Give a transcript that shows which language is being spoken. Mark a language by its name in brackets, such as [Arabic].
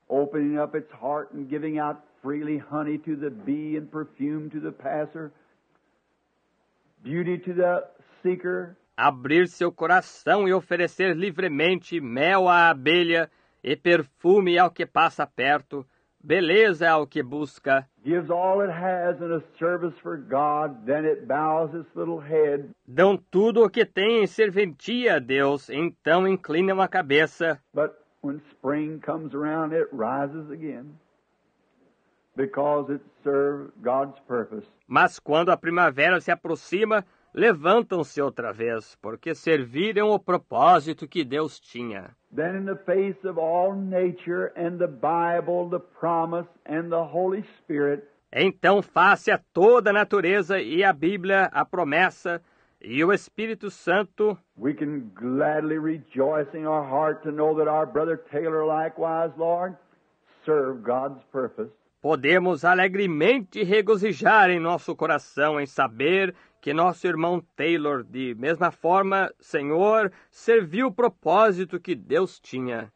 [English] Opening up its heart and giving out freely honey to the bee and perfume to the passer. Beauty to the seeker. [Portuguese] Abrir seu coração e oferecer livremente mel à abelha e perfume ao que passa perto. Beleza ao que busca. [English] Gives all it has in a service for God, then it bows its little head. [Portuguese] Dão tudo o que tem em serventia a Deus, então inclinam a cabeça. [English] But when spring comes around, it rises again. Because it served God's purpose. [Portuguese] Mas quando a primavera se aproxima, levantam-se outra vez, porque serviram o propósito que Deus tinha. [English] Then in the face of all nature and the Bible, the promise and the Holy Spirit. [Portuguese] Então face a toda a natureza e a Bíblia, a promessa e o Espírito Santo. [English] We can gladly rejoice in our heart to know that our brother Taylor likewise, Lord, served God's purpose. [Portuguese] Podemos alegremente regozijar em nosso coração em saber que nosso irmão Taylor, de mesma forma, Senhor, serviu o propósito que Deus tinha.